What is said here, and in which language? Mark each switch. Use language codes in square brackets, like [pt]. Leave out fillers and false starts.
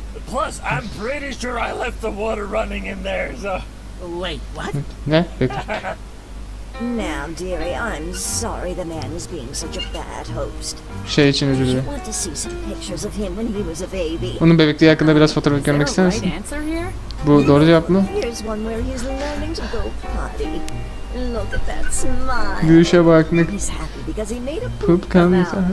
[en] Plus, I'm pretty sure I left the water running in there, so... Wait, what? [tr] Ne? [en] Now, dearie, I'm sorry the man was being such a bad host. [tr] Şey için üzüldü. [en] You want to see some pictures of him when he was a baby. [tr] Onun bebekliği hakkında biraz fotoğraf görmek ister misin? Bu doğru cevap mı? [en] Here's one where he's learning to go potty. Look at that smile. [tr] Gülüşe bak, ne... [en] He's happy because he made a poop come out.